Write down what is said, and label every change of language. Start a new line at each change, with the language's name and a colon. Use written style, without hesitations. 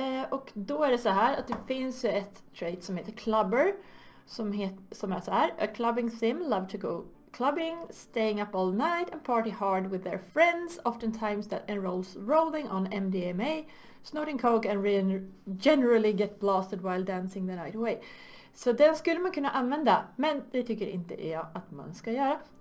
Swedish: Och då är det så här att det finns ett trait som heter clubber. Som är så här.
English: A clubbing sim love to go clubbing, staying up all night and party hard with their friends, oftentimes that enrolls rolling on MDMA, snorting coke and generally get blasted while dancing the night away.
Swedish: Så den skulle man kunna använda, men det tycker inte jag att man ska göra.